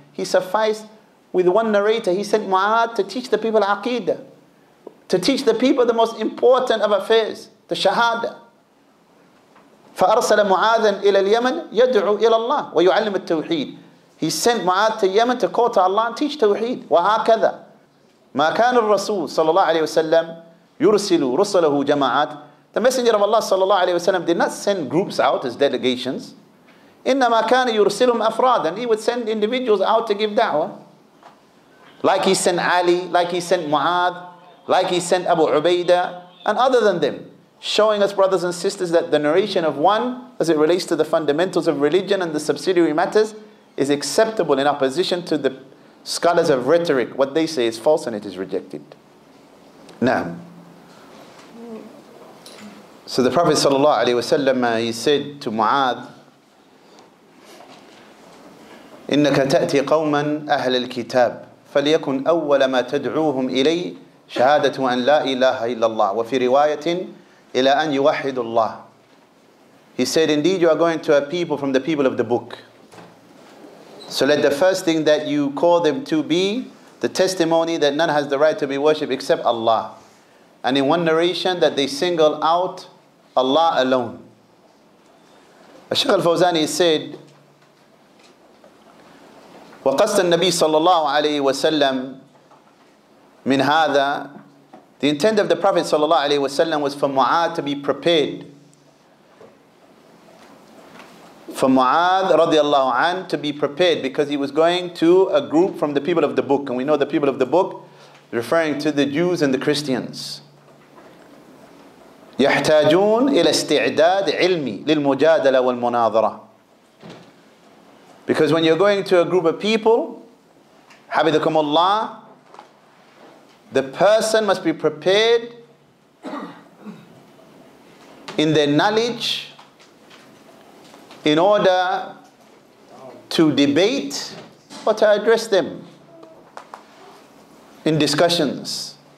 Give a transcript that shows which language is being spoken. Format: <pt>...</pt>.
<en>He sufficed with one narrator. He sent Mu'ad to teach the people aqidah, to teach the people the most important of affairs, the shahada.</en> <ar>فَأَرْسَلَ مُعَاذًا إِلَى الْيَمَنِ يَدْعُوا إِلَى اللَّهِ وَيُعَلِّمُ التَّوْحِيدِ.</ar> <en>He sent Mu'ad to Yemen to call to Allah and teach Tawheed. وَهَكَذَا مَا كَانُ الرَّسُولُ صَلَى اللَّهُ عَلَيْهِ وَسَلَّمْ يُرْسِلُ رُسَلَهُ جَمَعَاتِ. The Messenger of Allah صلى الله عليه وسلم did not send groups out as delegations.</en> <ar>إِنَّمَا كَانَ يُرْسِلُهُمْ أَفْرَادًا.</ar> <en>He would send individuals out to give da'wah. Like he sent Ali, like he sent Mu'ad, like he sent Abu Ubaidah, and other than them. showing us, brothers and sisters, that the narration of one, as it relates to the fundamentals of religion and the subsidiary matters, is acceptable in opposition to the scholars of rhetoric. What they say is false and it is rejected.</en> <ar>Now, so the Prophet sallallahu alaihi wasallam, he said to Mu'adh, إِنَّكَ تَأْتِي قَوْمًا أَهْلَ الْكِتَابِ فَلْيَكُنْ أَوَّلَ مَا تَدْعُوهُمْ إِلَيْهِ شَهَادَةُ أَنْ لَا إِلَهَ إِلَّا اللَّهِ وَفِي رِوَايَةٍ إِلَىٰ أَنْ يُوَحِّدُ اللَّهِ.</ar> <en>He said, indeed you are going to a people from the people of the book. So let the first thing that you call them to be the testimony that none has the right to be worshipped except Allah. And in one narration that they single out Allah alone.</en> <ar>Al-Shaykh al-Fawzani said, وقصد النبي صلى الله عليه وسلم من هذا.</ar> <en>The intent of the Prophet صلى الله عليه وسلم was for Mu'adh to be prepared. For Mu'adh رضي الله عنه to be prepared because he was going to a group from the people of the book. And we know the people of the book referring to the Jews and the Christians.</en> <ar>يحتاجون إلى استعداد علمي للمجادلة والمناظرة.</ar> <en>Because when you're going to a group of people, حَبِذَكُمُ اللَّهِ, the person must be prepared in their knowledge in order to debate or to address them in discussions.</en>